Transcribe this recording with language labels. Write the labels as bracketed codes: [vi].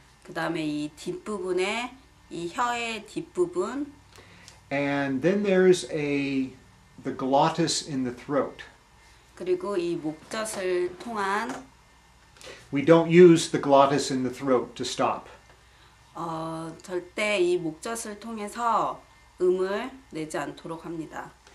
[ko] 그 다음에 이 뒷부분의, 이 혀의 뒷부분, [en] and then there's the glottis in the throat. [ko] 그리고 이 목젖을 통한, [en] we don't use the glottis in the throat to stop. [ko] 절대 이 목젖을 통해서 음을 내지 않도록 합니다.